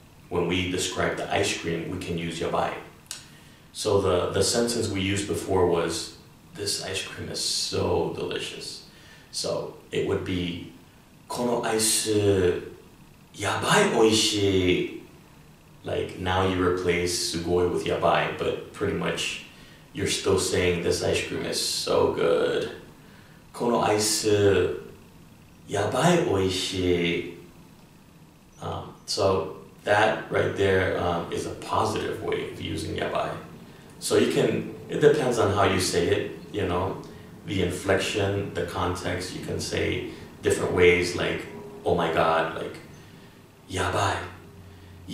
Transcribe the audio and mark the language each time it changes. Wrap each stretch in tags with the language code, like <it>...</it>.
<en>When we describe the ice cream, we can use yabai. So the sentence we used before was, this ice cream is so delicious. So it would be,</en> <ja>このアイスやばいおいしい.</ja> <en>Like now you replace sugoi with yabai, but pretty much,You're still saying this ice cream is so good.</en> <ja>このアイスやばいおいしい。</ja> <en>So that right there is a positive way of using やばい. So you can, it depends on how you say it, you know, the inflection, the context, you can say different ways like, oh my God, like, やばい。</en>